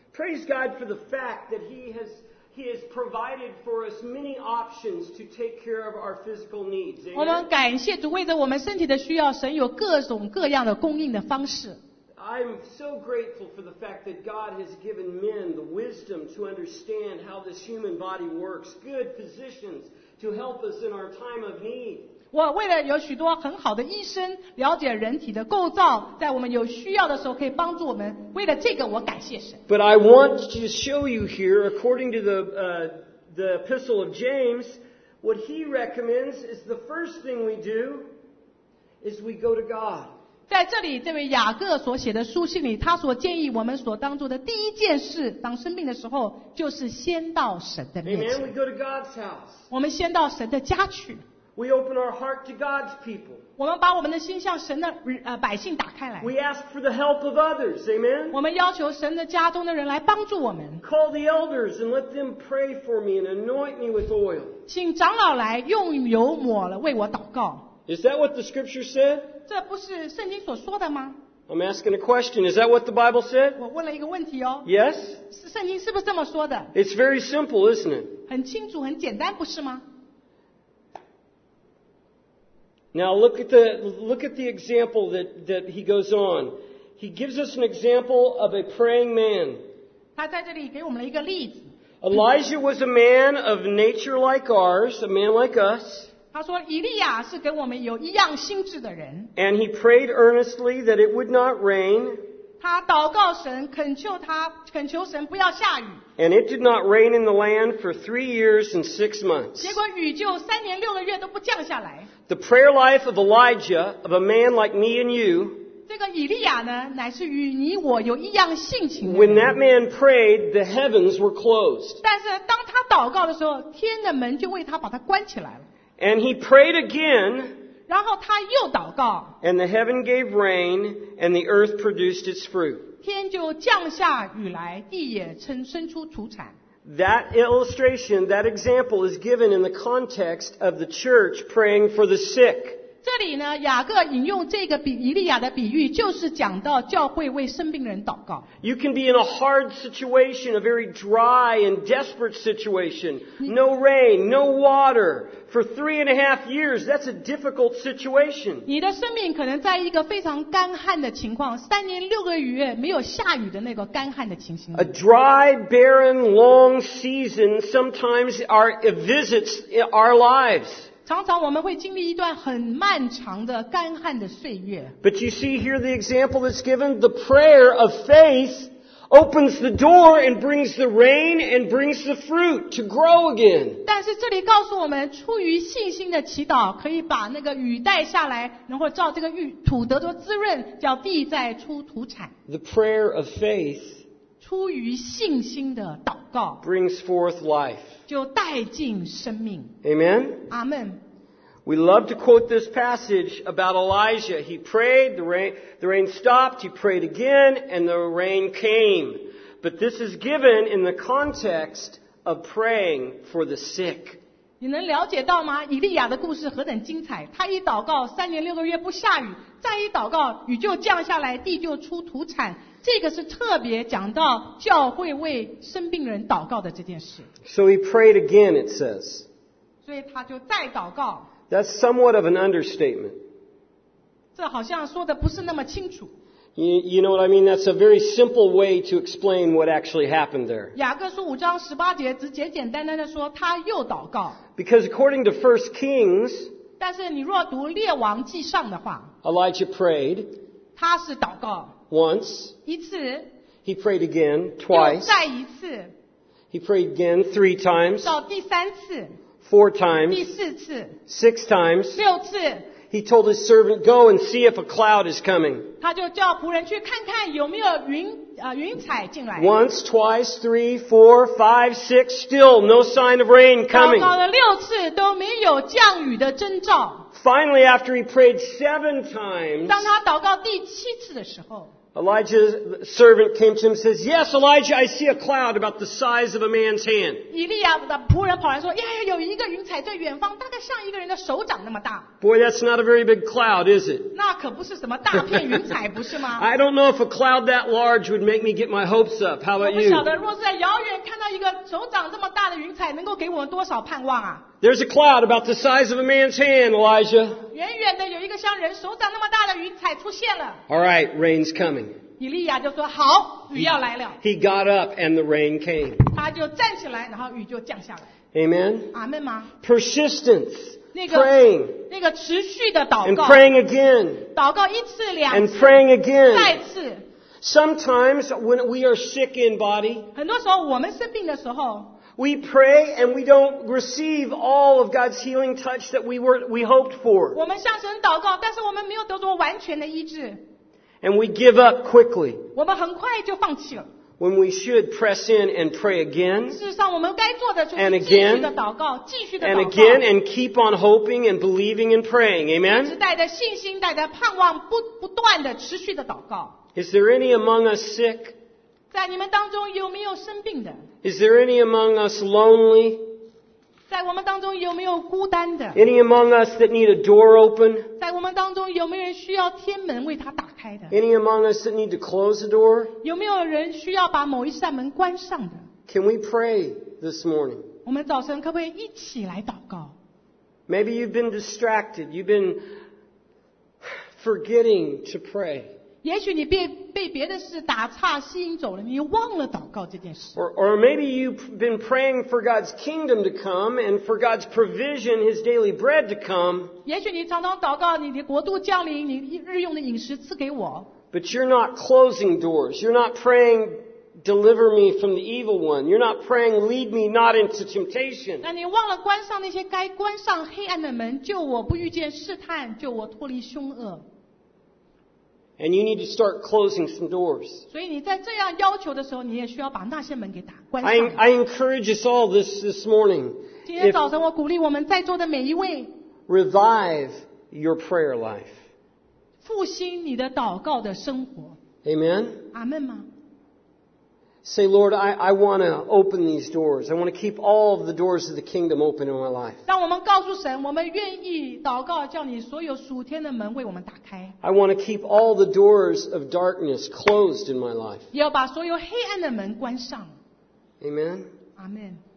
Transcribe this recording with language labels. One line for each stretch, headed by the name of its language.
English: Praise God for the fact that He has provided for us many options to take care of our physical needs.
Chinese: 我们感谢主，为着我们身体的需要，神有各种各样的供应的方式。
English: I'm so grateful for the fact that God has given men the wisdom to understand how this human body works. Good physicians. To help us in our time of need.
Chinese: 我为了有许多很好的医生了解人体的构造，在我们有需要的时候可以帮助我们。为了这个，我感谢神。
English: But I want to show you here, according to the epistle of James, what he recommends is the first thing we do is we go to God.
Chinese: 在这里，这位雅各所写的书信里，他所建议我们所当做的第一件事，当生病的时候，就是先到神的面前。
English: Amen. We go to God's house.
Chinese: 我们先到神的家去。
English: We open our heart to God's people.
Chinese: 我们把我们的心向神的百姓打开来。
English: We ask for the help of others. Amen.
Chinese: 我们要求神的家中的人来帮助我们。
English: Call the elders and let them pray for me and anoint me with oil.
Chinese: 请长老来用油抹了为我祷告。
English: Is that what the scripture said?
Chinese: 这不是圣经所说的吗？
English: I'm asking a question. Is that what the Bible said?
Chinese: 我问了一个问题哦。
English: Yes.
Chinese: 是圣经是不是这么说的？
English: It's very simple, isn't it?
Chinese: 很清楚，很简单，不是吗？
English: Now look at the example that he goes on. He gives us an example of a praying man.
Chinese: 他在这里给我们了一个例子。
English: Elijah was a man of nature like ours, a man like us.
Chinese: 他说以利亚是跟我们有一样心智的人。
English: And he prayed earnestly that it would not rain.
Chinese: 他祷告神，恳求神不要下雨。
English: And it did not rain in the land for 3 years and 6 months.
Chinese: 结果雨就三年六个月都不降下来。
English: The prayer life of Elijah, of a man like me and you,
Chinese: 这个以利亚呢，乃是与你我有一样性情的。
English: When that man prayed, the heavens were closed.
Chinese: 但是当他祷告的时候，天的门就为他把他关起来了。
English: And he prayed again.
Chinese: 然后他又祷告。
English: And the heaven gave rain, and the earth produced its fruit.
Chinese: 天就降下雨来，地也生出土产。
English: That illustration, that example is given in the context of the church praying for the sick.
Chinese: 这里呢，雅各引用这个比以利亚的比喻，就是讲到教会为生病人祷告。
English: You can be in a hard situation, a very dry and desperate situation. No rain, no water for 3.5 years. That's a difficult situation.
Chinese: 你的生命可能在一个非常干旱的情况，三年六个月没有下雨的那个干旱的情形。
English: A dry, barren, long season sometimes visits our lives.
Chinese: 常常我们会经历一段很漫长的干旱的岁月。
English: But you see here the example that's given, the prayer of faith opens the door and brings the rain and brings the fruit to grow again.
Chinese: 但是这里告诉我们，出于信心的祈祷可以把那个雨带下来，然后照这个土得着滋润，叫地再出土产。
English: The prayer of faith
Chinese: 出于信心的祷告
English: brings forth life.
Chinese: 就带进生命。
English: Amen. Amen. We love to quote this passage about Elijah. He prayed, the rain stopped, he prayed again, and the rain came. But this is given in the context of praying for the sick.
Chinese: 你能了解到吗？以利亚的故事何等精彩！他一祷告，三年六个月不下雨，再一祷告，雨就降下来，地就出土产。这个是特别讲到教会为生病人祷告的这件事。
English: So he prayed again, it says.
Chinese: 所以他就再祷告。
English: That's somewhat of an understatement.
Chinese: 这好像说的不是那么清楚。
English: You know what I mean? That's a very simple way to explain what actually happened there.
Chinese: 雅各书五章十八节只简简单单的说他又祷告。
English: Because according to 1 Kings,
Chinese: 但是你若读列王记上的话
English: Elijah prayed.
Chinese: 他是祷告。
English: Once,
Chinese: 一次,
English: he prayed again, twice,
Chinese: 又再一次,
English: he prayed again, 3 times,
Chinese: 到第三次,
English: 4 times,
Chinese: 第四次,
English: 6 times,
Chinese: 六次,
English: he told his servant, go and see if a cloud is coming.
Chinese: 他就叫仆人去看看有没有云, 云彩进来。
English: Once, twice, 3, 4, 5, 6, still no sign of rain coming.
Chinese: 祷告了六次都没有降雨的征兆。
English: Finally, after he prayed 7 times,
Chinese: 当他祷告第七次的时候,
English: Elijah's servant came to him and says, Yes, Elijah, I see a cloud about the size of a man's hand.
Chinese: 以利亚的仆人跑来说, 哎, 有一个云彩在远方, 大概像一个人的手掌那么大。
English: Boy, that's not a very big cloud, is it?
Chinese: 那可不是什么大片云彩, 不是吗?
English: I don't know if a cloud that large would make me get my hopes up. How about you?
Chinese: 我不晓得若是在遥远看到一个手掌这么大的云彩能够给我们多少盼望啊。
English: There's a cloud about the size of a man's hand, Elijah.
Chinese: 远远的有一个像人手掌那么大的云彩出现了。
English: All right, rain's coming.
Chinese: 以利亚就说好，雨要来了。
English: He got up and the rain came.
Chinese: 他就站起来，然后雨就降下来。
English: Amen.
Chinese: 阿门吗？
English: Persistence.
Chinese: 那个
English: praying.
Chinese: 那个持续的祷告。
English: And praying again.
Chinese: 祷告一次两次。
English: And praying again.
Chinese: 再次。
English: Sometimes when we are sick in body.
Chinese: 很多时候我们生病的时候。
English: We pray and we don't receive all of God's healing touch that we hoped for.
Chinese: 我们向神祷告，但是我们没有得着完全的医治。
English: And we give up quickly.
Chinese: 我们很快就放弃了。
English: When we should press in and pray again.
Chinese: 事实上，我们该做的就是继续的祷告，继续的祷告。
English: And again, and again, and keep on hoping and believing and praying. Amen.
Chinese: 一直带着信心，带着盼望，不断的持续的祷告。
English: Is there any among us sick?
Chinese: 在你们当中有没有生病的?
English: Is there any among us lonely?
Chinese: 在我们当中有没有孤单的?
English: Any among us that need a door open?
Chinese: 在我们当中有没有人需要天门为他打开的?
English: Any among us that need to close the door?
Chinese: 有没有人需要把某一扇门关上的?
English: Can we pray this morning?
Chinese: 我们早晨可不可以一起来祷告?
English: Maybe you've been distracted. You've been forgetting to pray.
Chinese: 也许你 被别的事打岔吸引走了，你忘了祷告这件事。
English: Or maybe you've been praying for God's kingdom to come and for God's provision, His daily bread to come.
Chinese: 也许你常常祷告你的国度降临，你日用的饮食赐给我。
English: But you're not closing doors. You're not praying, deliver me from the evil one. You're not praying, lead me not into temptation.
Chinese: 那你忘了关上那些该关上黑暗的门，救我不遇见试探，救我脱离凶恶。
English: And you need to start closing some doors.
Chinese: 所以你在这样要求的时候，你也需要把那些门给打关上。
English: I encourage us all this morning.
Chinese: 今天早晨我鼓励我们在座的每一位。
English: Revive your prayer life.
Chinese: 复兴你的祷告的生活。
English: Amen.
Chinese: 阿门吗？
English: Say, Lord, I want to open these doors. I want to keep all of the doors of the kingdom open in my life.
Chinese: 让我们告诉神，我们愿意祷告，叫你所有属天的门为我们打开。
English: I want to keep all the doors of darkness closed in my life.
Chinese: 也要把所有黑暗的门关上。
English: Amen. Amen.